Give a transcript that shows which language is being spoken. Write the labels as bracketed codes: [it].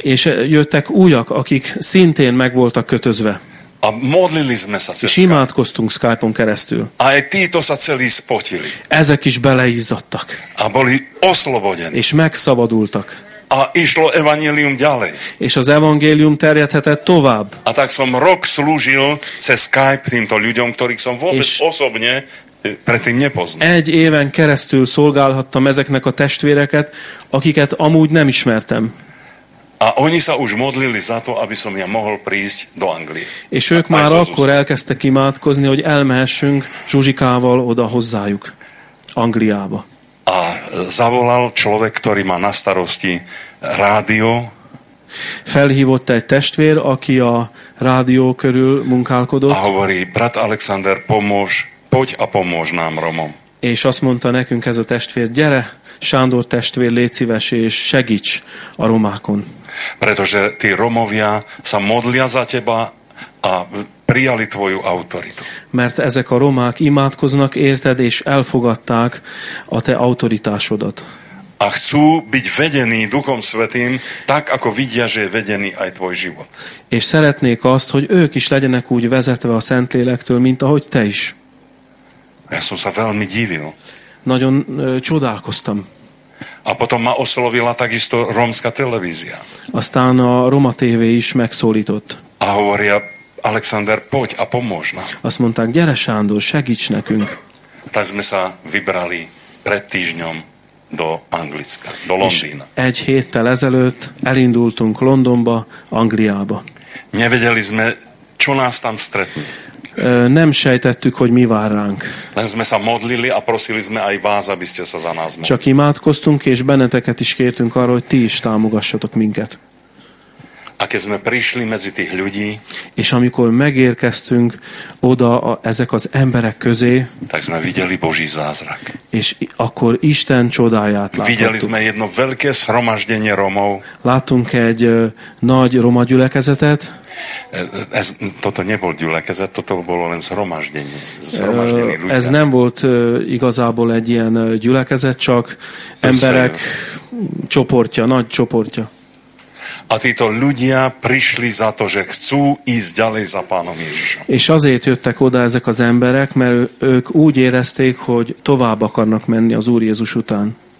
[hu] És jöttek újak, akik szintén meg voltak kötözve. [sk] A modlili sme sa cez [hu] És imádkoztunk Skype-on keresztül. [sk] A aj títo sa celí spotili. [hu] Ezek is beleizzadtak. [sk] A boli oslobodení. [hu] És megszabadultak. [sk] A išlo evanjelium ďalej. [hu] És az evangélium terjedhetett tovább. [sk] A tak som rok slúžil cez Skype týmto ľuďom, ktorých som vôbec és osobne predtým nepoznal. [hu] Egy éven keresztül szolgálhattam ezeknek a testvéreket, akiket amúgy nem ismertem. [sk] A oni sa už modlili za to, aby som ja mohol prísť do Anglie. [hu] És ők a már akkor elkezdtek imádkozni, hogy elmehessünk Zsuzsikával oda hozzájuk Angliába. [sk] A zavolal človek, ktorý má na starosti rádio. [hu] Felhívott egy testvér, aki a rádió körül munkálkodott. [sk] A hovorí, brat Alexander, pomôž, poď a pomôž nám, Romom. [hu] És azt mondta nekünk ez a testvér, gyere, Sándor testvér, légy szíves, és segíts a romákon. [sk] Pretože tí Romovia sa modlia za teba a prijali tvoju autoritu. [hu] Mert ezek a romák imádkoznak érted, és elfogadták a te autoritásodat. [sk] A chcú byť vedení Duchom Svetým, tak ako vidia, že je vedený aj tvoj život. [hu] És szeretnék azt, hogy ők is legyenek úgy vezetve a Szentlélektől, mint ahogy te is. [sk] Ja som sa veľmi divil. [hu] Nagyon csodálkoztam. [sk] A potom ma oslovila takisto romská televízia. [hu] Aztán a Roma TV is megszólított. [sk] A hovoria, Alexander, poď a pomôž nám. [hu] Azt mondták, gyere Sándor, segíts nekünk. [sk] Tak sme sa vybrali pred týždňom do Anglicka, do Londýna. [hu] És egy héttel ezelőtt elindultunk Londonba, Angliába. [sk] Nevedeli sme, čo nás tam stretne. [hu] Nem sejtettük, hogy mi vár ránk. [sk] Len sme sa modlili a prosili sme aj vás, aby ste sa za nás modlili. [hu] Csak imádkoztunk, és benneteket is kértünk arra, hogy ti is támogassatok minket. [sk] A keď sme prišli medzi tých ľudí, [hu] és amikor megérkeztünk oda ezek az emberek közé, [sk] tak sme videli Boží zázrak. [hu] És akkor Isten csodáját láttuk. [sk] Videli sme jedno veľké zhromaždenie Romov. [hu] Láttunk egy nagy roma gyülekezetet. [sk] Ez, toto nebol gyülekezet, toto bolo len zhromaždenie. [hu] Ez nem volt igazából egy ilyen gyülekezet, csak emberek csoportja, nagy csoportja. [sk] A títo ľudia prišli za to, že chcú ísť ďalej za Pánom Ježišom. [hu] És azért jöttek oda ezek az emberek, mert ők úgy érezték, hogy tovább akarnak menni az Úr Jézus után.